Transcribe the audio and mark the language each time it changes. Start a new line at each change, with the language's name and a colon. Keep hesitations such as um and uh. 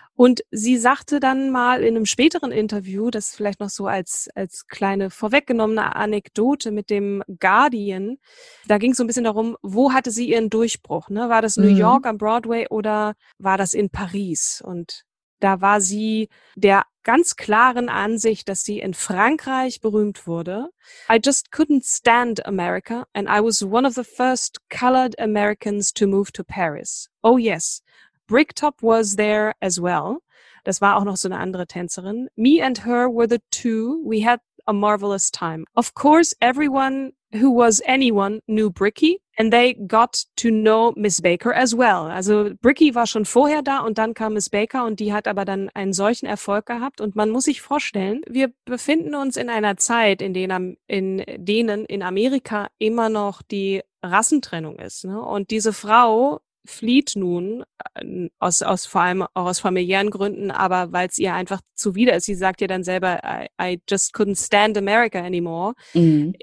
German: Und sie sagte dann mal in einem späteren Interview, das vielleicht noch so als, als kleine vorweggenommene Anekdote mit dem Guardian, da ging es so ein bisschen darum, wo hatte sie ihren Durchbruch? Ne? War das New mhm. York am Broadway oder war das in Paris? Und da war sie der ganz klaren Ansicht, dass sie in Frankreich berühmt wurde.
English: I just couldn't stand America and I was one of the first colored Americans to move to Paris. Oh yes, Bricktop was there as well.
German: Das war auch noch so eine andere Tänzerin.
English: Me and her were the two. We had a marvelous time. Of course, everyone who was anyone knew Bricky and they got to know Miss Baker as well.
German: Also Bricky war schon vorher da und dann kam Miss Baker und die hat aber dann einen solchen Erfolg gehabt und man muss sich vorstellen, wir befinden uns in einer Zeit, in denen in, denen in Amerika immer noch die Rassentrennung ist. Ne? Und diese Frau flieht nun aus, aus vor allem auch aus familiären Gründen, aber weil es ihr einfach zuwider ist. Sie sagt ja dann selber,
English: I, I just couldn't stand America anymore,
German: mhm.